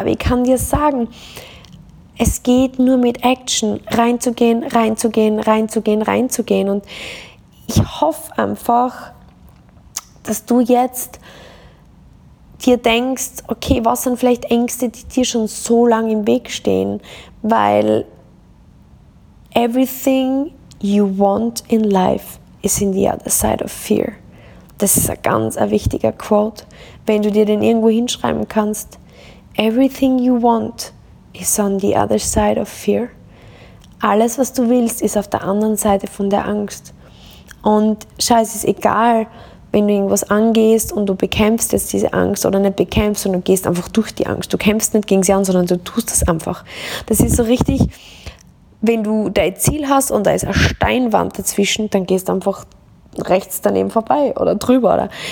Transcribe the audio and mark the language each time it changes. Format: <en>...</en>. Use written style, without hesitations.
<de>Aber ich kann dir sagen, es geht nur mit Action, reinzugehen, reinzugehen, reinzugehen, reinzugehen. Und ich hoffe einfach, dass du jetzt dir denkst, okay, was sind vielleicht Ängste, die dir schon so lange im Weg stehen? Weil</de> <en>everything you want in life is in the other side of fear.</en> <de>Das ist ein ganz ein wichtiger Quote, wenn du dir den irgendwo hinschreiben kannst.</de> <en>Everything you want is on the other side of fear.</en> <de>Alles, was du willst, ist auf der anderen Seite von der Angst. Und scheiße, es ist egal, wenn du irgendwas angehst und du bekämpfst jetzt diese Angst oder nicht bekämpfst, sondern du gehst einfach durch die Angst. Du kämpfst nicht gegen sie an, sondern du tust es einfach. Das ist so richtig. Wenn du dein Ziel hast und da ist eine Steinwand dazwischen, dann gehst du einfach rechts daneben vorbei oder drüber. Oder?</de>